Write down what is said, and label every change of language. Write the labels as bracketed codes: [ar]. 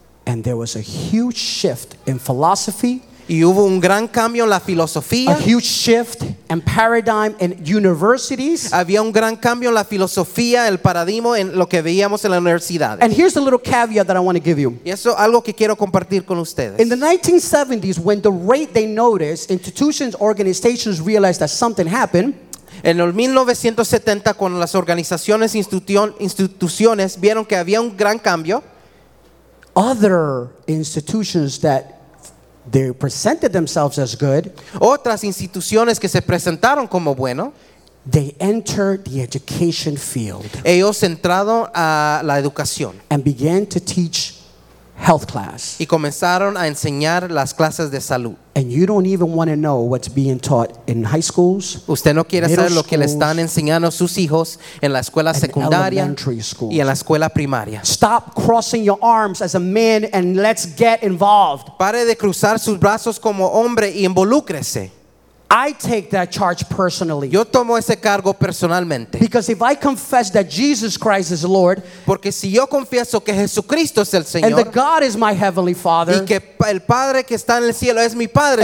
[en] And there was a huge shift in philosophy. [es] Y hubo un gran cambio en la filosofía. [en] A huge shift and paradigm in universities. [es] Había un gran cambio en la filosofía, el paradigma en lo que veíamos en la universidad. [en] And here's a little caveat that I want to give you. [es] Y eso algo que quiero compartir con ustedes. [en] In the 1970s, when the rate they noticed, institutions, organizations realized that something happened. [es] En el 1970, cuando las organizaciones instituciones vieron que había un gran cambio, [en] other institutions that they presented themselves as good, [es] otras instituciones que se presentaron como bueno, [en] they entered the education field. [es] Ellos entraron a la educación. [en] And began to teach health class. [es] Y comenzaron a enseñar las clases de salud. [en] And you don't even want to know what's being taught in high schools. [es] Usted no quiere saber lo que le están enseñando a sus hijos en la escuela secundaria y en la escuela primaria. [en] Stop crossing your arms as a man and let's get involved. [es] Pare de cruzar sus brazos como hombre y involúcrese. [en] I take that charge personally. [es] Yo tomo ese cargo personalmente. [en] Because if I confess that Jesus Christ is Lord, [es] porque si yo confieso que Jesucristo es el Señor, [en] and that God is my heavenly Father, [es] y que el Padre que está en el cielo es mi Padre